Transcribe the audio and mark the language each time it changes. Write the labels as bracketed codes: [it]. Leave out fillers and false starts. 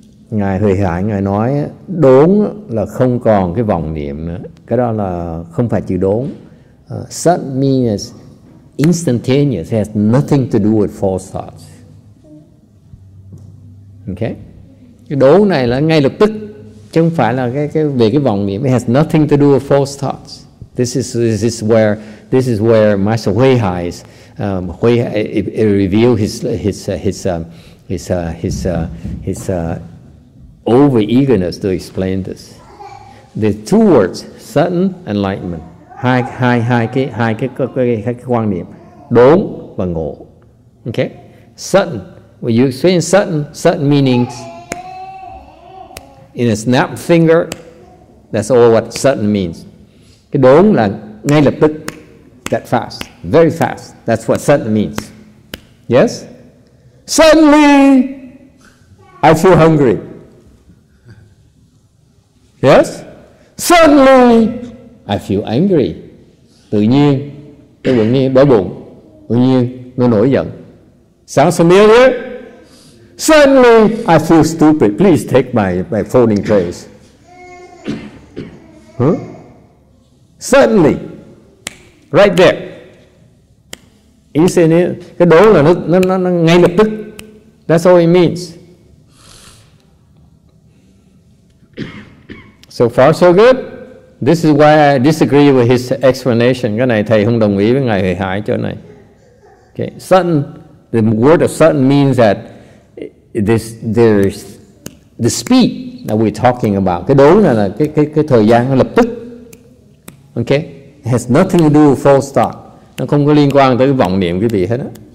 [vi] Ngài Huệ Hải, Ngài nói đốn là không còn cái vọng niệm nữa. Cái đó là không phải chữ đốn. [en] Sudden means instantaneous, it has nothing to do with false thoughts. [vi] Okay? Cái đốn này là ngay lập tức, chứ không phải là cái về cái vọng niệm. [en] It has nothing to do with false thoughts. This is where Master HuiHai is, reveal his over eagerness to explain this. The two words, sudden enlightenment, [vi] hai cái quan niệm, đốn và ngộ. [en] Okay, sudden. When you explain sudden means in a snap finger. That's all what sudden means. [vi] Cái đốn là ngay lập tức, [en] that fast, very fast. That's what sudden means. Yes, suddenly I feel hungry. Yes? Suddenly, I feel angry. [vi] Tự nhiên, tôi bụng nhiên đói bụng. Tự nhiên, nó nổi giận. [en] Sounds familiar? Suddenly, I feel stupid. Please take my folding trays. Huh? Suddenly, right there. Instantly, [vi] cái đố là nó ngay lập tức. [en] That's all it means. So far so good. This is why I disagree with his explanation. [vi] Cái này thầy không đồng ý với ngài Huệ Hải chỗ này. [en] Okay, sudden. The word of sudden means that there's the speed that we're talking about. [vi] Cái đốn là cái thời gian lập tức. [en] Okay, it has nothing to do with false thought. [vi] Nó không có liên quan tới cái vọng niệm cái gì hết á.